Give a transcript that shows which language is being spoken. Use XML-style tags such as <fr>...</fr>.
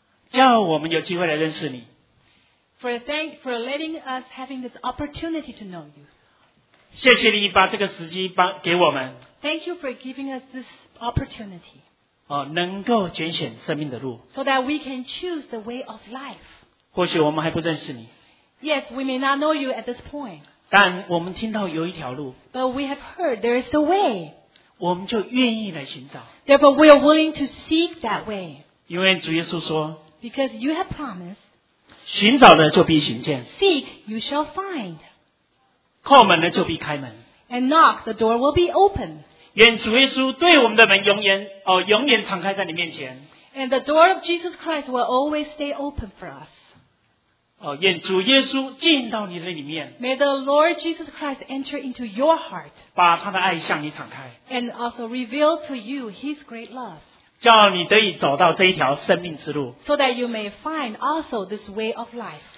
<zh>叫我们有机会来认识你。</zh> <en>For letting us having this opportunity to know you.</en> <zh>谢谢你把这个时机给我们。</zh> <en>Thank you for giving us this opportunity.</en> <zh>能够拣选生命的路。</zh> <en>So that we can choose the way of life.</en> <zh>或许我们还不认识你。</zh> <en>Yes, we may not know you at this point.</en> <zh>但我们听到有一条路。</zh> <en>But we have heard there is a way.</en> <zh>我们就愿意来寻找。</zh> <en>Therefore, we are willing to seek that way.</en> <zh>因为主耶稣说。</zh> <en>Because you have promised.</en> <zh>寻找的就必寻见。</zh> <en>Seek, you shall find.</en> <zh>叩门的就必开门。</zh> <en>And knock, the door will be open.</en> <zh>愿主耶稣对我们的门永远敞开在你面前。</zh> <en>And the door of Jesus Christ will always stay open for us.</en> <zh>愿主耶稣进到你的里面。</zh> <en>May the Lord Jesus Christ enter into your heart.</en> <zh>把他的爱向你敞开。</zh> <en>And also reveal to you his great love.</en> <zh>叫你得以走到这一条生命之路。</zh> <en>So that you may find also this way of life.</en>